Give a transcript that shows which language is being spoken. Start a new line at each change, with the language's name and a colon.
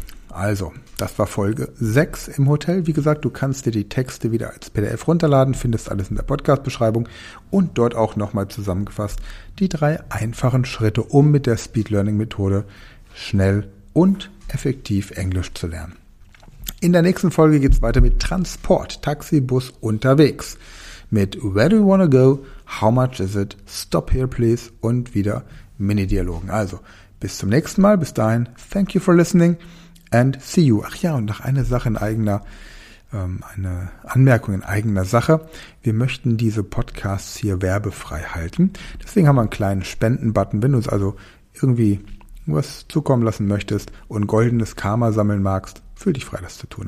German: Also, das war Folge 6 im Hotel. Wie gesagt, du kannst dir die Texte wieder als PDF runterladen, findest alles in der Podcast-Beschreibung und dort auch nochmal zusammengefasst die 3 einfachen Schritte, um mit der Speed-Learning-Methode schnell und effektiv Englisch zu lernen. In der nächsten Folge geht's weiter mit Transport, Taxi, Bus, unterwegs.
English: Mit Where do you wanna go? How much is it? Stop here, please.
German: Und wieder Mini-Dialogen. Also, bis zum nächsten Mal. Bis dahin,
English: thank you for listening and see you.
German: Ach ja, und noch eine Sache in eigener, eine Anmerkung in eigener Sache. Wir möchten diese Podcasts hier werbefrei halten. Deswegen haben wir einen kleinen Spenden-Button. Wenn du uns also irgendwie was zukommen lassen möchtest und goldenes Karma sammeln magst, fühl dich frei, das zu tun.